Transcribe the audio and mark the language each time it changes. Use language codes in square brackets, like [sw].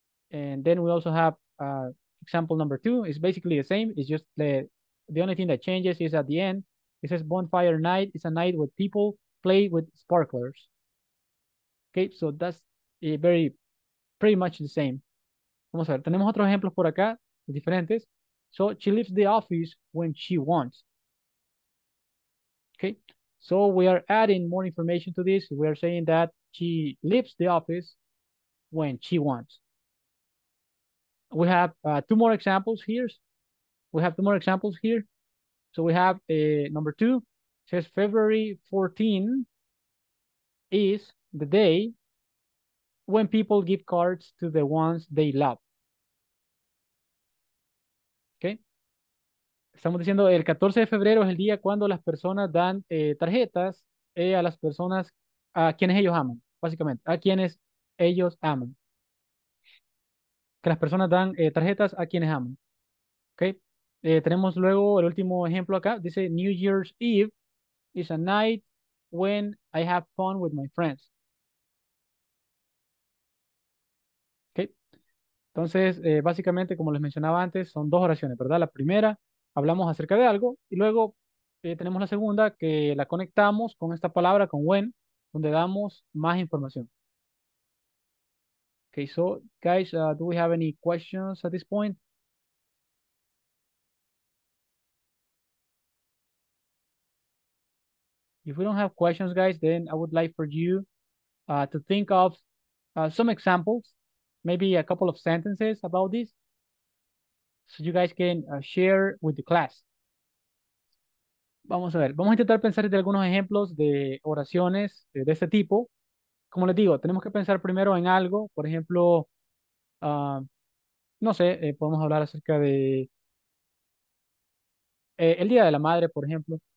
[en] And then we also have example number two. It's basically the same. It's just the only thing that changes is at the end. It says bonfire night is a night where people play with sparklers. Okay, so that's pretty much the same. [es] Vamos a ver, tenemos otros ejemplos por acá, diferentes. [en] So, she leaves the office when she wants. Okay, so we are adding more information to this. We are saying that she leaves the office when she wants. We have two more examples here. We have two more examples here. So, we have number two. It says February 14 is the day when people give cards to the ones they love. [es] Estamos diciendo el 14 de febrero es el día cuando las personas dan tarjetas a las personas a quienes ellos aman, básicamente, a quienes ellos aman. Que las personas dan tarjetas a quienes aman. Okay. Tenemos luego el último ejemplo acá. Dice, [en] New Year's Eve is a night when I have fun with my friends. [es] Entonces, básicamente, como les mencionaba antes, son dos oraciones, ¿verdad? La primera. Hablamos acerca de algo y luego tenemos la segunda que la conectamos con esta palabra, con when, donde damos más información. [en] Okay, so guys, do we have any questions at this point? If we don't have questions, guys, then I would like for you to think of some examples, maybe a couple of sentences about this. So you guys can share with the class. [es] Vamos a ver, vamos a intentar pensar de algunos ejemplos de oraciones de este tipo. Como les digo, tenemos que pensar primero en algo. Por ejemplo, no sé, podemos hablar acerca de el Día de la Madre, por ejemplo.